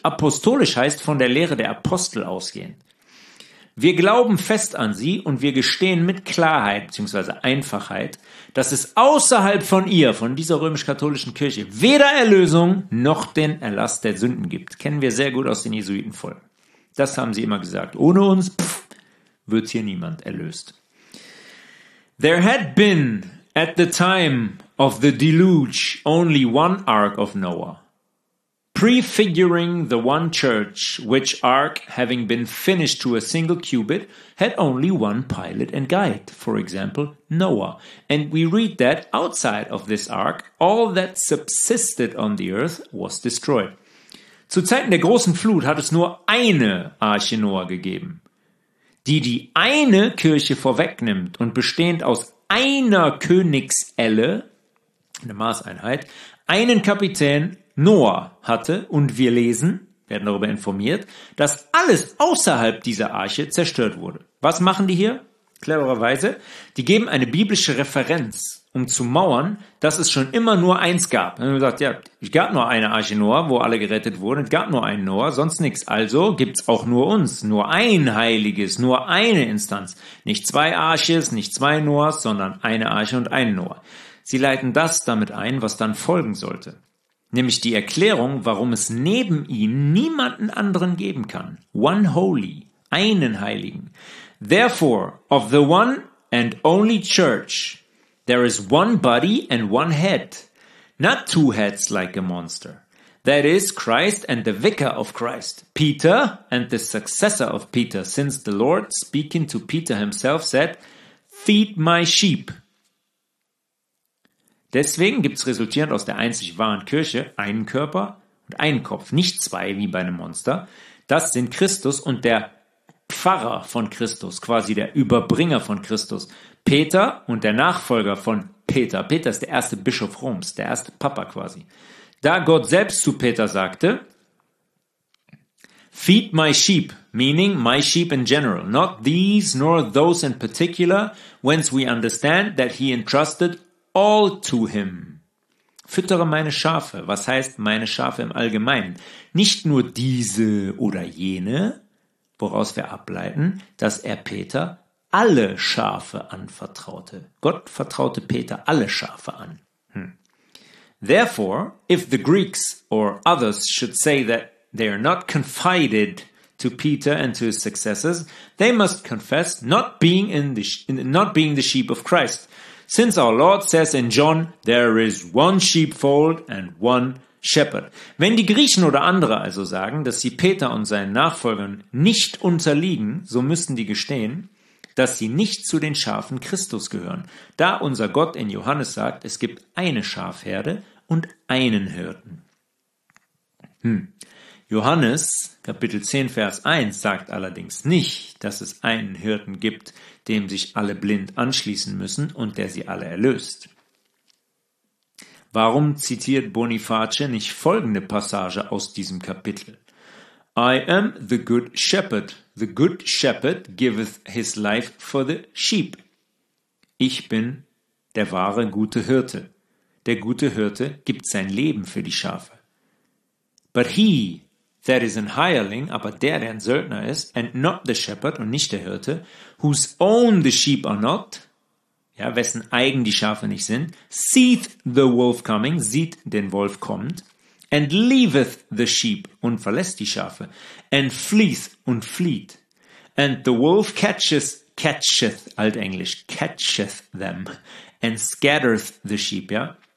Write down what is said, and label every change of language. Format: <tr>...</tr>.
<de>Apostolisch heißt von der Lehre der Apostel ausgehen. Wir glauben fest an sie und wir gestehen mit Klarheit bzw. Einfachheit, dass es außerhalb von ihr, von dieser römisch-katholischen Kirche, weder Erlösung noch den Erlass der Sünden gibt. Kennen wir sehr gut aus den Jesuitenfolgen. Das haben sie immer gesagt. Ohne uns wird hier niemand erlöst.</de> <en>There had been, at the time of the deluge, only one Ark of Noah, prefiguring the one church, which Ark, having been finished to a single cubit, had only one pilot and guide, for example, Noah. And we read that outside of this Ark, all that subsisted on the earth was destroyed.</en> <de>Zu Zeiten der großen Flut hat es nur eine Arche Noah gegeben, die eine Kirche vorwegnimmt und bestehend aus einer Königselle, eine Maßeinheit, einen Kapitän Noah hatte. Und wir lesen, werden darüber informiert, dass alles außerhalb dieser Arche zerstört wurde. Was machen die hier? Clevererweise, die geben eine biblische Referenz um zu mauern, dass es schon immer nur eins gab. Dann haben wir gesagt, ja, es gab nur eine Arche Noah, wo alle gerettet wurden. Es gab nur einen Noah, sonst nichts. Also gibt's auch nur uns, nur ein Heiliges, nur eine Instanz. Nicht zwei Arches, nicht zwei Noahs, sondern eine Arche und ein Noah. Sie leiten das damit ein, was dann folgen sollte. Nämlich die Erklärung, warum es neben ihm niemanden anderen geben kann.</de> <en>One holy,</en> <de>einen Heiligen.</de> <en>Therefore, of the one and only church, there is one body and one head, not two heads like a monster. That is Christ and the vicar of Christ, Peter and the successor of Peter, since the Lord, speaking to Peter himself, said, feed my sheep.</en> <de>Deswegen gibt's resultierend aus der einzig wahren Kirche einen Körper und einen Kopf, nicht zwei wie bei einem Monster. Das sind Christus und der Pfarrer von Christus, quasi der Überbringer von Christus, Peter und der Nachfolger von Peter. Peter ist der erste Bischof Roms, der erste Papa quasi.</de> <en>Da Gott selbst zu Peter sagte, feed my sheep, meaning my sheep in general, not these nor those in particular, whence we understand that he entrusted all to him.</en> <de>Füttere meine Schafe. Was heißt meine Schafe im Allgemeinen? Nicht nur diese oder jene, woraus wir ableiten, dass er Peter alle Schafe anvertraute. Gott vertraute Peter alle Schafe an.</de> <en>Therefore, if the Greeks or others should say that they are not confided to Peter and to his successors, they must confess not being the sheep of Christ. Since our Lord says in John, there is one sheepfold and one shepherd.</en> <de>Wenn die Griechen oder andere also sagen, dass sie Peter und seinen Nachfolgern nicht unterliegen, so müssen die gestehen, dass sie nicht zu den Schafen Christus gehören. Da unser Gott in Johannes sagt, es gibt eine Schafherde und einen Hirten. Johannes, Kapitel 10, Vers 1, sagt allerdings nicht, dass es einen Hirten gibt, dem sich alle blind anschließen müssen und der sie alle erlöst. Warum zitiert Boniface nicht folgende Passage aus diesem Kapitel?</de> <en>I am the good shepherd. The good shepherd giveth his life for the sheep.</en> <de>Ich bin der wahre gute Hirte. Der gute Hirte gibt sein Leben für die Schafe.</de> <en>But he that is an hireling,</en> <de>aber der ein Söldner ist,</de> <en>and not the shepherd</en> <de>und nicht der Hirte,</de> <en>whose own the sheep are not,</en> <de>ja, wessen eigen die Schafe nicht sind,</de> <en>seeth the wolf coming,</en> <de>sieht den Wolf kommt,</de> <en>and leaveth the sheep</en> <de>und verlässt die Schafe,</de> <en>and fleeth</en> <de>und flieht,</de> <en>and the wolf catcheth,</en> <de>altenglisch,</de> <en>catcheth them, and scattereth the sheep, ja.</en>